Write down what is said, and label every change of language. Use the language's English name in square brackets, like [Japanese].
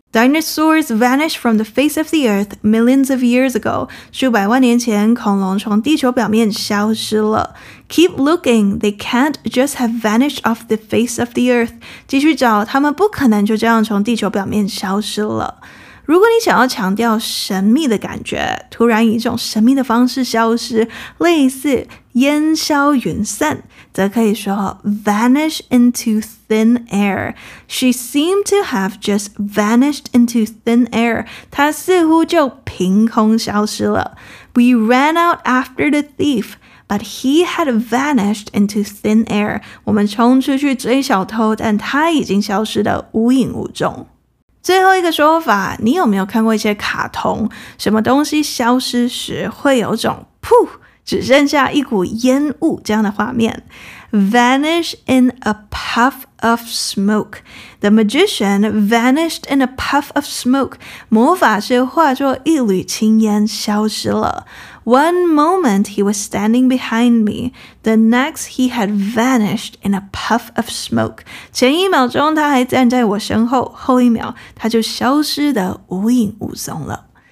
[English] Dinosaurs vanished from the face of the earth millions of years ago. [Chinese] 数百万年前，恐龙从地球表面消失了。 [English] Keep looking, they can't just have vanished off the face of the earth. [Chinese] 继续找，他们不可能就这样从地球表面消失了。如果你想要强调神秘的感觉，突然以一种神秘的方式消失，类似烟消云散，则可以说 vanish into thin air. [English] She seemed to have just vanished into thin air. [Chinese] 她似乎就凭空消失了。 [English] We ran out after the thief, but he had vanished into thin air. [Chinese] 我们冲出去追小偷，但他已经消失得无影无踪。最后一个说法，你有没有看过一些卡通，什么东西消失时会有种噗，只剩下一股烟雾这样的画面？ [English] Vanish in a puff of smoke. The magician vanished in a puff of smoke. [Chinese] 魔法师化作一缕青烟消失了。 [English] One moment he was standing behind me, the next he had vanished in a puff of smoke. [Chinese] 前一秒钟他还站在我身后，后一秒他就消失得无影无踪了。